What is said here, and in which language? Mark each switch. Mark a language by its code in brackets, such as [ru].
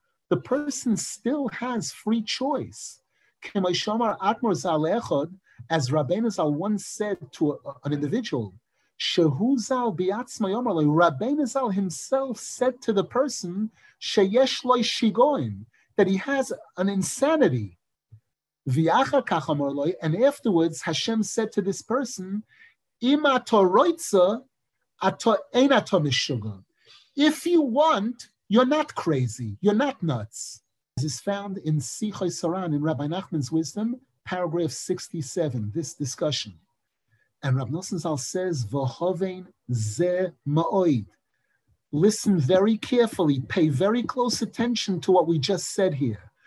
[en] The person still has free choice. [he] כמו שאמר אדמור זל לאחד, [en] as Rabbeinu Zal once said to an individual, [he] שהוא זל ביעצמו יאמר לו, [en] רבינו זל himself said to the person, [he] שיש לו שיגוין, [en] that he has an insanity. [he] ואחר כך אמר לו, [en] and afterwards Hashem said to this person, [he] אם אתה רוצה, אין אתה משוגע. [en] If you want, you're not crazy, you're not nuts. This is found in Sichos Soran, in Rabbi Nachman's Wisdom, paragraph 67, this discussion. And Rav Nosson Zal says, [he] "V'chovein ze ma'oid." [en] listen very carefully, pay very close attention to what we just said here.